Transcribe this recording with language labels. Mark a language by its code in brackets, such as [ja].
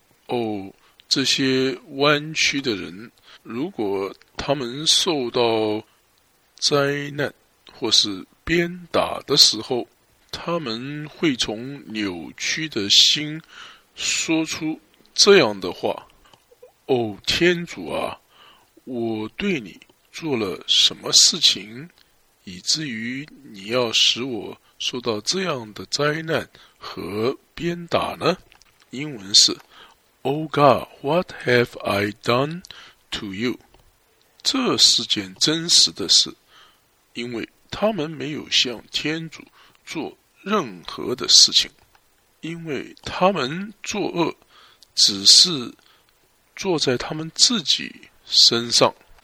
[zh] 哦，这些弯曲的人，如果他们受到灾难或是鞭打的时候，他们会从扭曲的心说出这样的话：哦，天主啊，我对你做了什么事情，以至于你要使我受到这样的灾难和鞭打呢？英文是 [en] Oh God, what have I done to you? [zh] 这是件真实的事，因为他们没有向天主做任何的事情，因为他们作恶只是坐在他们自己身上。